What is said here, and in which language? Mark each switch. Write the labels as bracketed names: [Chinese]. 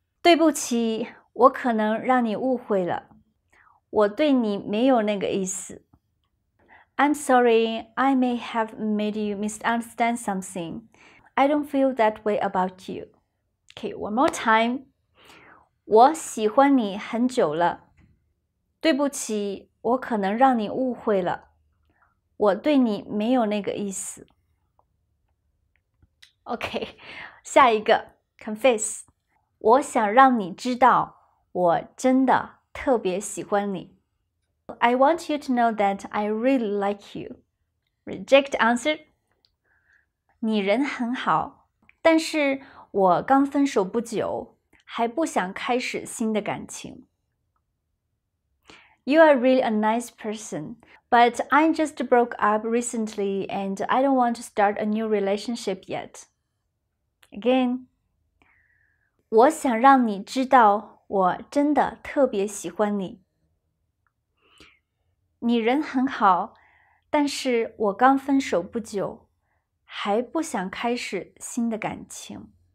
[Chinese] 对不起，我可能让你误会了。我对你没有那个意思。 [English] I'm sorry, I may have made you misunderstand something. I don't feel that way about you. Okay, one more time. [Chinese] 我喜欢你很久了。对不起，我可能让你误会了。我对你没有那个意思。 [English] Okay, [Chinese] 下一个 [English] confess. [Chinese] 我想让你知道，我真的特别喜欢你。 [English] I want you to know that I really like you. Reject answer. [Chinese] 你人很好，但是我刚分手不久，还不想开始新的感情。 [English] You are really a nice person, but I just broke up recently and I don't want to start a new relationship yet. Again. [Chinese] 我想让你知道，我真的特别喜欢你。你人很好，但是我刚分手不久，还不想开始新的感情。